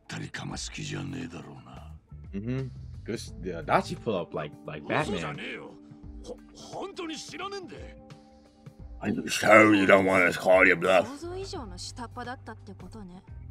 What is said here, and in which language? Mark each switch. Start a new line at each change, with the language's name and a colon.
Japanese: だから知らねえって。知るわけねえ。同じ組織でも俺らとは住む世界が違う人なんだ。てめえ、はったりかます気じゃねえだろうな。
English: Mm-hmm. Gosh, the Adachi pull up like Batman.
Japanese: 嘘じゃねえよ。本当に知らねえんで。
English: I'm sure you don't want us calling you bluff.
Japanese: 想像以上の下っ端だったってことね。